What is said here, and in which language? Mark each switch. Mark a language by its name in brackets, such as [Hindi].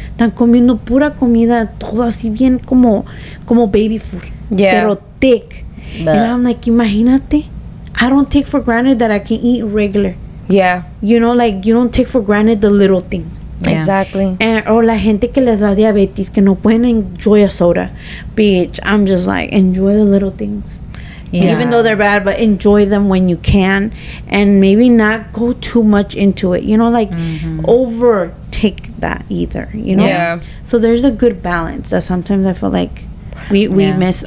[Spanish] Están comiendo pura comida, todo así bien como [English] baby food. Yeah. [Spanish] Pero [English] thick. But. And I'm like, [Spanish] imagínate. [English] I don't take for granted that I can eat regular. Yeah. You know, like, you don't take for granted the little things. Yeah. Exactly. Or [Spanish] la gente que les da diabetes, que no pueden [English] enjoy a soda. Bitch, I'm just like, enjoy the little things. Yeah. Even though they're bad, but enjoy them when you can, and maybe not go too much into it, you know, like overtake that either, you know. Yeah. So there's a good balance that sometimes I feel like we miss.